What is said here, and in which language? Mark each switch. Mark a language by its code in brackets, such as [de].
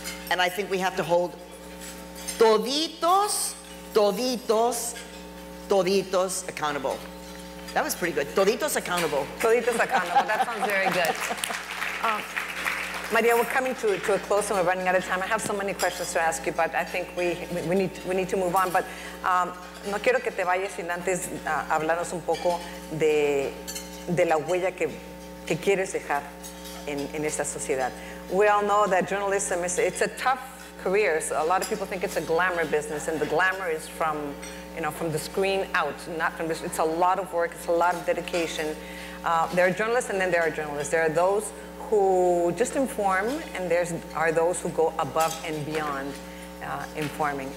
[en] And I think we have to hold toditos, toditos, toditos accountable. That was pretty good. Toditos accountable. Toditos accountable, that sounds very good. Maria, we're coming to a close and we're running out of time. I have so many questions to ask you, but I think we need to move on. [es] But no quiero que te vayas sin antes hablarnos un poco de la huella que quieres dejar en esta sociedad. [en] We all know that journalism is a tough career. So a lot of people think it's a glamour business, and the glamour is from, you know, from the screen out, not from the screen. It's a lot of work, it's a lot of dedication. There are journalists and then there are journalists. There are those who just inform, and there are those who go above and beyond informing.